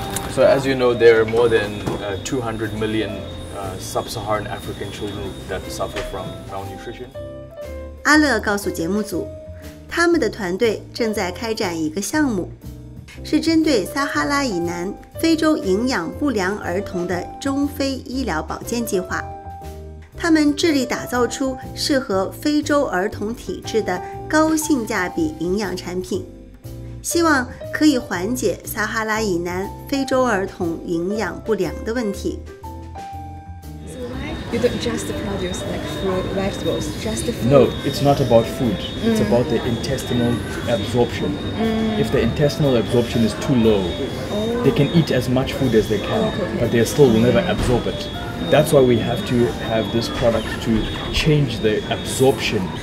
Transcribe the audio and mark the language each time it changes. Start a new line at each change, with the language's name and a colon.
English: So as you know, there are more than 200 million sub-Saharan African children that suffer from malnutrition.
Chinese: 阿乐告诉节目组，他们的团队正在开展一个项目，是针对撒哈拉以南非洲营养不良儿童的中非医疗保健计划。他们致力打造出适合非洲儿童体质的高性价比营养产品，希望可以缓解撒哈拉以南非洲儿童营养不良的问题。
English: You don't just produce like fruit, vegetables, just the food. No, it's not about food. It's about the intestinal absorption. If the intestinal absorption is too low, they can eat as much food as they can, but they still will never absorb it. That's why we have to have this product to change the absorption.